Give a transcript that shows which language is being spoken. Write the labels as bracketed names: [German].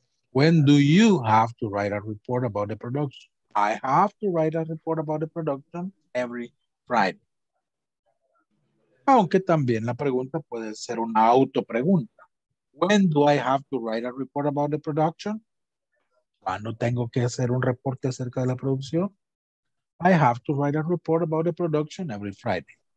[English] When do you have to write a report about the production? I have to write a report about the production every Friday. [Spanish] Aunque también la pregunta puede ser una autopregunta. [English] When do I have to write a report about the production? [Spanish] ¿Cuándo tengo que hacer un reporte acerca de la producción? [English] I have to write a report about the production every Friday.